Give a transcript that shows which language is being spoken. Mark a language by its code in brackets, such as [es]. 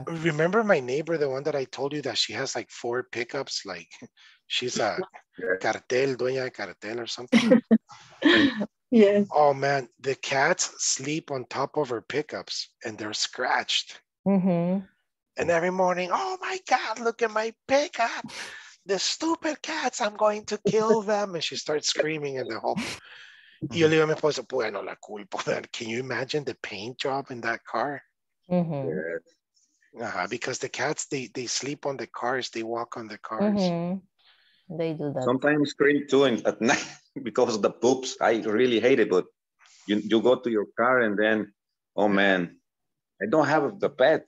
[en] Remember my neighbor, the one that I told you that she has like four pickups, like she's a cartel, [es] dueña de cartel [en] or something. Yes. Oh man, the cats sleep on top of her pickups and they're scratched. Mm-hmm. And every morning, oh my God, look at my pickup. The stupid cats, I'm going to kill them. And she starts screaming in the home. [es] Yo le digo a mi esposo, bueno, la culpa. [en] Can you imagine the paint job in that car? Mm-hmm. Yeah. Uh-huh, because the cats, they sleep on the cars, they walk on the cars. Mm-hmm. They do that. Sometimes scream too at night because of the poops. I really hate it, but you go to your car and then, oh man, I don't have the pet.